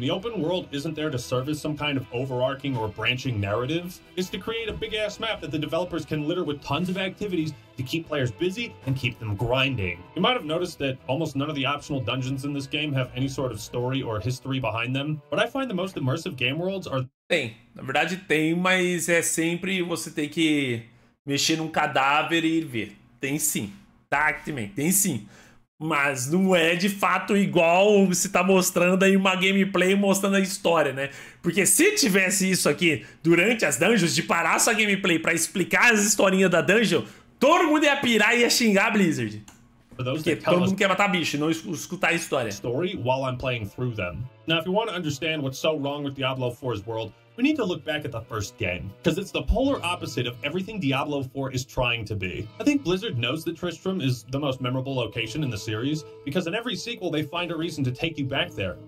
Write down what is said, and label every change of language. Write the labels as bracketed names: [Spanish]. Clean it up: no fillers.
[English] The open world isn't there to serve as some kind of overarching or branching narrative. It's to create a big-ass map that the developers can litter with tons of activities to keep players busy and keep them grinding. You might have noticed that almost none of the optional dungeons in this game have any sort of story or history behind them, but I find the most immersive game worlds are... [Portuguese] Tem. Na verdade tem, mas é sempre você tem que mexer num cadáver e ir ver. Tem sim. Tactman, tem sim. Mas não é de fato igual você tá mostrando aí uma gameplay mostrando a história, né? Porque se tivesse isso aqui durante as dungeons, de parar sua gameplay pra explicar as historinhas da dungeon... Todo mundo ia pirar e ia xingar a Blizzard. Porque todo mundo quer matar bicho e não escutar a história. [English] Story while I'm playing through them. Now, if you want to understand what's so wrong with Diablo 4's world, we need to look back at the first game. Because it's the polar opposite of everything Diablo 4 is trying to be. I think Blizzard knows that Tristram is the most memorable location in the series, because in every sequel they find a reason to take you back there.